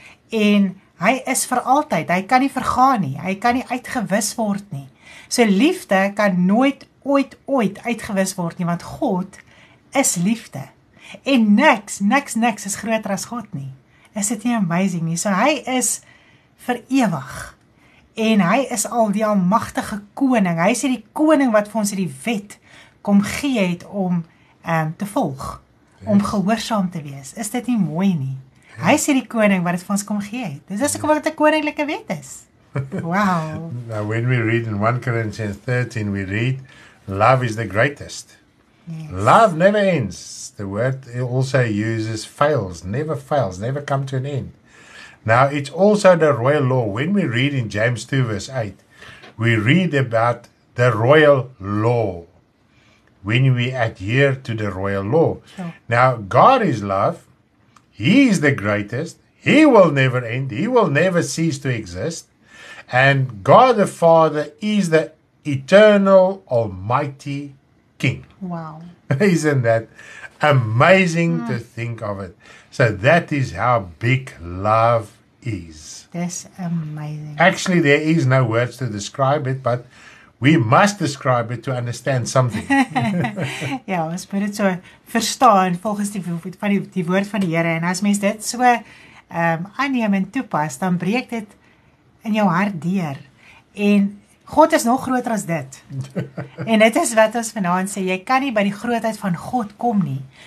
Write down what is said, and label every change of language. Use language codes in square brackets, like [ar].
[af] en hy is vir altyd, hy kan nie vergaan nie, hy kan nie uitgewis word nie. So liefde kan nooit ooit uitgewis word nie, want God is liefde. En niks is groter as God nie. Is dit nie amazing nie? So hy is vir ewig. En hy is al die almagtige koning. Hy is die koning wat vir ons die wet kom gee het om te volg. Yes. Om gehoorsaam te wees. Is dit nie mooi nie? Yes. Hy is die koning wat het vir ons kom gee het. Dis is ook wat 'n koninklike wet is. Wow. [en] Now when we read in 1 Corinthians 13, we read, love is the greatest. Yes. Love never ends. The word it also uses fails, never come to an end. Now, it's also the royal law. When we read in James 2, verse 8, we read about the royal law. When we adhere to the royal law. Sure. Now, God is love. He is the greatest. He will never end. He will never cease to exist. And God the Father is the eternal, almighty King. Wow. Isn't that amazing to think of it? So that is how big love is. That's amazing. Actually, there is no words to describe it, but we must describe it to understand something. [af] Ja, ons moet dit so verstaan volgens die woord van die Here. En as mens dit so aanneem en toepas, dan breek dit in jou hart deur. En God is nog groter as dit. En dit is wat ons vanaand sê, jy kan nie by die grootheid van God kom nie.